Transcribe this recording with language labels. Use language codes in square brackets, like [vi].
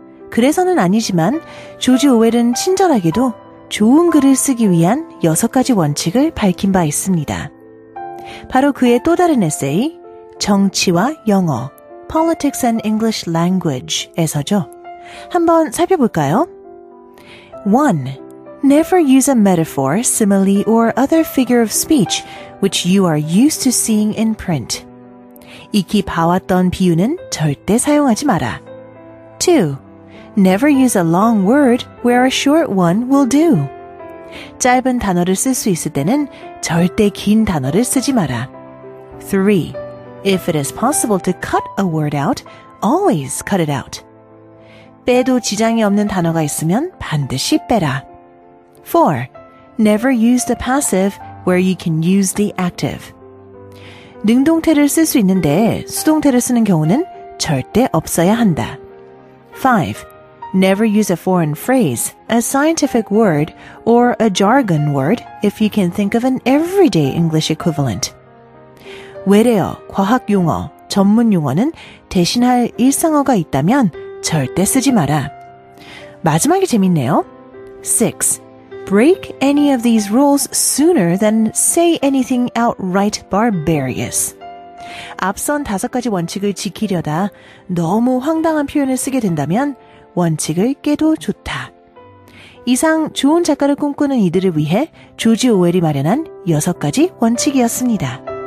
[ko] 그래서는 아니지만 조지 오웰은 친절하게도 좋은 글을 쓰기 위한 여섯 가지 원칙을 밝힌 바 있습니다. 바로 그의 또 다른 에세이 정치와 영어 Politics and English Language에서죠. 한번 살펴볼까요? 1. [en] Never use a metaphor, simile, or other figure of speech which you are used to seeing in print. [ko] 익히 봐왔던 비유는 절대 사용하지 마라. [en] 2. Never use a long word where a short one will do. [ko] 짧은 단어를 쓸 수 있을 때는 절대 긴 단어를 쓰지 마라. 3. [en] If it is possible to cut a word out, always cut it out. [ko] 빼도 지장이 없는 단어가 있으면 반드시 빼라. 4. [en] Never use the passive where you can use the active. [ko] 능동태를 쓸 수 있는데 수동태를 쓰는 경우는 절대 없어야 한다. 5. [en] Never use a foreign phrase, a scientific word, or a jargon word if you can think of an everyday English equivalent. [ko] 외래어, 과학용어, 전문용어는 대신할 일상어가 있다면 절대 쓰지 마라. 마지막이 재밌네요. 6. [en] Break any of these rules sooner than say anything outright barbarous. [ko] 앞선 다섯 가지 원칙을 지키려다 너무 황당한 표현을 쓰게 된다면 원칙을 깨도 좋다. 이상 좋은 작가를 꿈꾸는 이들을 위해 조지 오웰이 마련한 여섯 가지 원칙이었습니다.